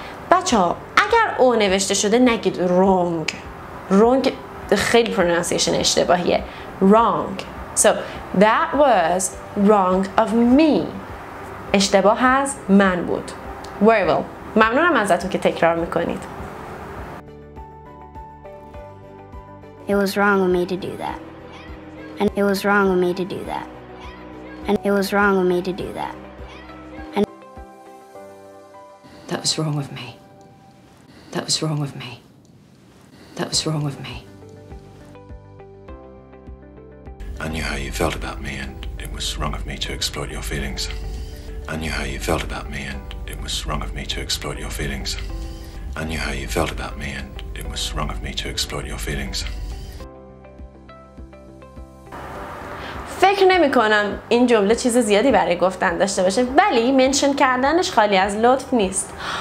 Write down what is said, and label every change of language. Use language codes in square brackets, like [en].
[fa] بچه ها اگر او نوشته شده نگید wrong. Wrong خیلی پرونانسیشن اشتباهیه. [en] Wrong. So that was wrong of me. [fa] اشتباه از من بود. [en] Very well. [fa] ممنونم ازتون که تکرار میکنید. [en] It was wrong of me to do that. And it was wrong of me to do that. And it was wrong of me to do that. That was wrong of me. That was wrong of me. That was wrong of me. I knew how you felt about me, and it was wrong of me to exploit your feelings. I knew how you felt about me, and it was wrong of me to exploit your feelings. I knew how you felt about me, and it was wrong of me to exploit your feelings. [fa] فکر نمی کنم این جمله چیز زیادی برای گفتن داشته باشه، ولی منشن کردنش خالی از لطف نیست.